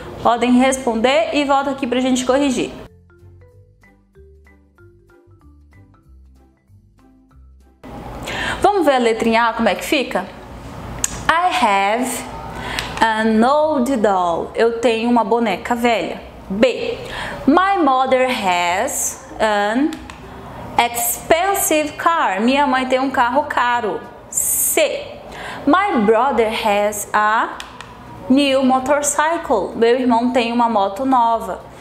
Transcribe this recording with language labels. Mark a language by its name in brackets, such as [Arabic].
[Portuguese] Podem responder e volto aqui pra gente corrigir. Vamos ver a letrinha A como é que fica? [English] I have an old doll. [Portuguese] Eu tenho uma boneca velha. B. [English] My mother has an expensive car. [Portuguese] Minha mãe tem um carro caro. C. [English] My brother has a new motorcycle. [Portuguese] Meu irmão tem uma moto nova.